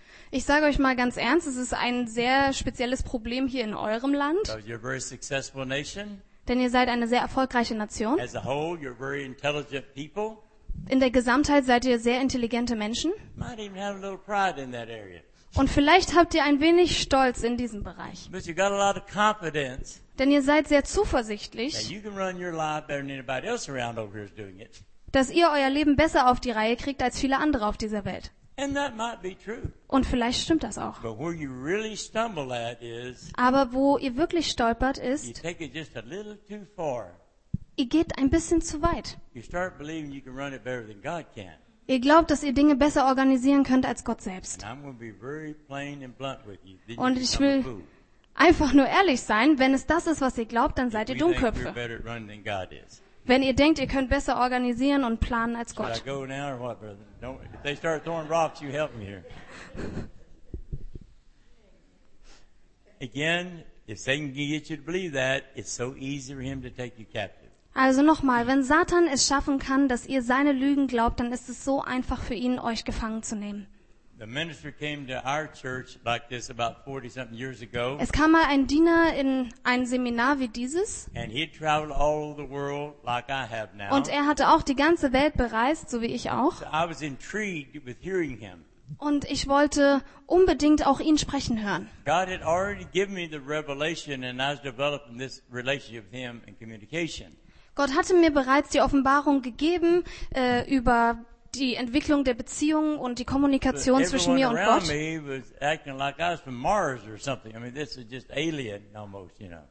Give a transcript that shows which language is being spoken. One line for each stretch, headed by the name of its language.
German: Ich sage euch mal ganz ernst, es ist ein sehr spezielles Problem hier in eurem Land.
English: You're a very successful nation.
German: Denn ihr seid eine sehr erfolgreiche Nation.
English: As a whole, you're very intelligent people.
German: In der Gesamtheit seid ihr sehr intelligente Menschen.
English: Might even have a little pride in that area.
German: Und vielleicht habt ihr ein wenig Stolz in diesem Bereich.
English: But you got a lot of confidence.
German: Denn ihr seid sehr zuversichtlich.
English: Now you can run your life better than anybody else around over here is doing it.
German: Dass ihr euer Leben besser auf die Reihe kriegt als viele andere auf dieser Welt.
English: And that might be true.
German: Und vielleicht stimmt das auch.
English: But where you really stumble at is,
German: aber wo ihr wirklich stolpert ist,
English: you take it just a little too far.
German: Ihr geht ein bisschen zu weit.
English: You start believing you can run it better than God can.
German: Ihr glaubt, dass ihr Dinge besser organisieren könnt als Gott selbst.
English: And I'm gonna be very plain and blunt with you.
German: Then und ich will einfach nur ehrlich sein, wenn es das ist, was ihr glaubt, dann seid ihr Dummköpfe.
English: We're better at running than God is.
German: Wenn ihr denkt, ihr könnt besser organisieren und planen als Gott.
English: Should I go now or what, brother? Don't, if they start throwing rocks, you help me here. Again, if Satan can get you to believe that, it's so easy for him to take you captive.
German: Also nochmal, wenn Satan es schaffen kann, dass ihr seine Lügen glaubt, dann ist es so einfach für ihn, euch gefangen zu nehmen.
English: The minister came to our church like this about 40-something years ago.
German: Es kam mal ein Diener in ein Seminar wie dieses.
English: And he traveled all over the world like I have now.
German: Und er hatte auch die ganze Welt bereist, so wie ich auch.
English: So I was intrigued with hearing him.
German: Und ich wollte unbedingt auch ihn sprechen hören.
English: God had already given me the revelation and I was developing this relationship with him and communication.
German: Gott hatte mir bereits die Offenbarung gegeben über die Entwicklung der Beziehungen und die Kommunikation zwischen mir und Gott.